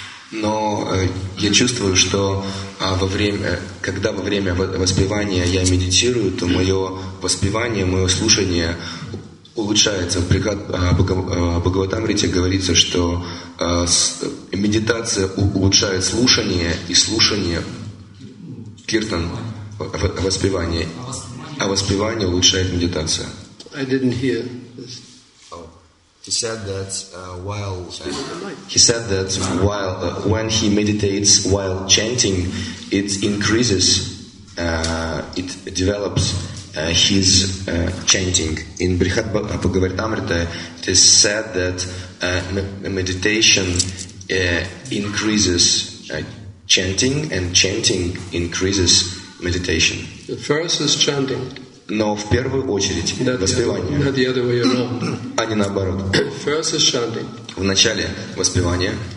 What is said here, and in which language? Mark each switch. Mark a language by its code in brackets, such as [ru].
[ru] Но я чувствую, что во время воспевания я медитирую, то мое воспевание, мое слушание улучшается. В Бхагаватамрите говорится, что медитация улучшает слушание, и слушание киртан, воспевание, а воспевание улучшает медитацию. [en] I didn't hear this. He said that when he meditates while chanting, it increases, it develops his chanting. In Brihat Bhagavatamrita, it is said that meditation increases chanting, and chanting increases meditation. The first is chanting. [ru] Но в первую очередь [en] not [ru] воспевание, а не наоборот. Вначале воспевание.